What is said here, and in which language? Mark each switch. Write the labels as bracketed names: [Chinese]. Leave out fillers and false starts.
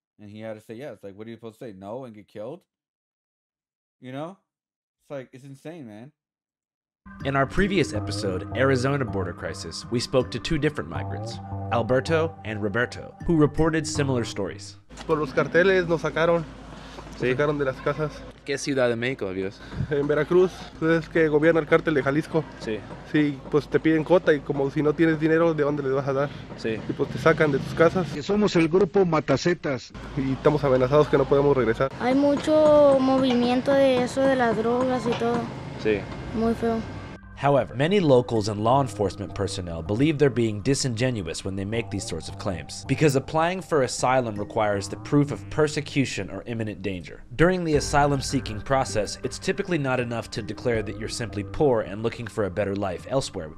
[English] And he had to say yes. Like, what are you supposed to say? No, and get killed? You know? It's like, it's insane, man. In our previous episode, Arizona Border Crisis, we spoke to two different migrants, Alberto and Roberto, who reported similar stories. [Spanish] Por los carteles nos sacaron. Sí. Nos sacaron de las casas. ¿Qué ciudad de México, amigos? En Veracruz, es que gobierna el cártel de Jalisco. Sí. Sí, pues te piden cuota y como si no tienes dinero, ¿de dónde les vas a dar? Sí. Y pues te sacan de tus casas. Que somos el grupo Matacetas. Y estamos amenazados que no podemos regresar. Hay mucho movimiento de eso, de las drogas y todo. Sí. Muy feo. [English] However, many locals and law enforcement personnel believe they're being disingenuous when they make these sorts of claims, because applying for asylum requires the proof of persecution or imminent danger. During the asylum-seeking process, it's typically not enough to declare that you're simply poor and looking for a better life elsewhere.